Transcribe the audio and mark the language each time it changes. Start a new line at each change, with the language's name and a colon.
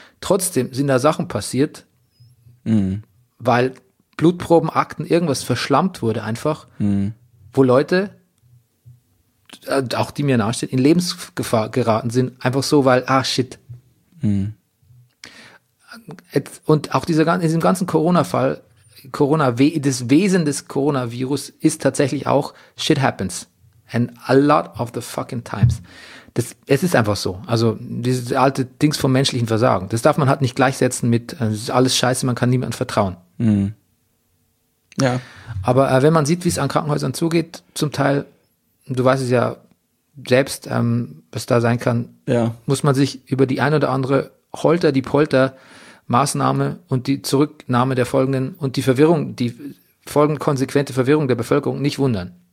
German: Trotzdem sind da Sachen passiert, weil Blutprobenakten, irgendwas verschlammt wurde einfach, wo Leute, auch die mir nahestehen, in Lebensgefahr geraten sind, einfach so, weil, ah, shit. Und auch in diesem ganzen Corona-Fall, das Wesen des Coronavirus ist tatsächlich auch,
English: shit happens. And a lot of the fucking times.
German: Es ist einfach so. Also dieses alte Dings vom menschlichen Versagen. Das darf man halt nicht gleichsetzen mit, es ist alles scheiße, man kann niemandem vertrauen. Mhm. Ja. Aber wenn man sieht, wie es an Krankenhäusern zugeht, zum Teil, du weißt es ja selbst, was da sein kann, muss man sich über die ein oder andere Holter-die-Polter-Maßnahme und die Zurücknahme der folgenden und die Verwirrung, die folgende konsequente Verwirrung der Bevölkerung nicht wundern.